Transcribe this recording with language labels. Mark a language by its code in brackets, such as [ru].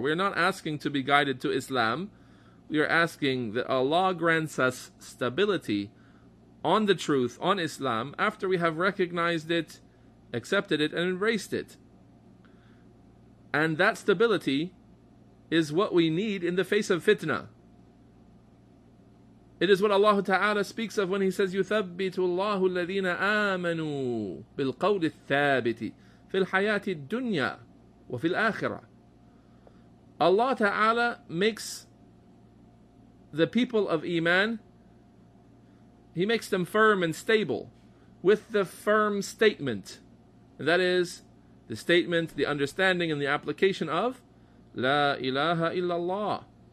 [en] We are not asking to be guided to Islam. We are asking that Allah grants us stability on the truth, on Islam, after we have recognized it, accepted it, and embraced it. And that stability is what we need in the face of fitna. It is what Allah Ta'ala speaks of when He says, [ar] يُثَبِّتُ اللَّهُ الَّذِينَ آمَنُوا بِالْقَوْلِ الثَّابِتِ فِي الْحَيَاةِ الدُّنْيَا وَفِي الْآخِرَةِ. [en] Allah Ta'ala makes the people of Iman, He makes them firm and stable with the firm statement. And that is the statement, the understanding, and the application of La ilaha illallah.